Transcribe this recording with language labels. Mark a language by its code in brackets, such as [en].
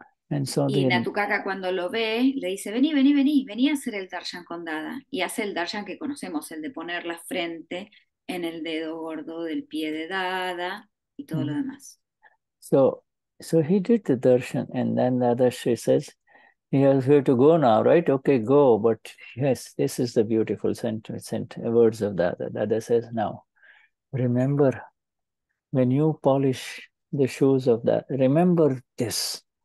[en] And so [es] y [en] then, [es] Natukaka cuando lo ve, le dice, vení a hacer el darshan con Dada. Y hace el darshan que conocemos, el de poner la frente en el dedo gordo del pie de Dada y todo lo demás. [en] So he did the darshan, and then Dada Shri says, he has to go now, right? Okay, go. But yes, this is the beautiful sent words of Dada. Dada says, now, remember, when you polish the shoes of that, remember this.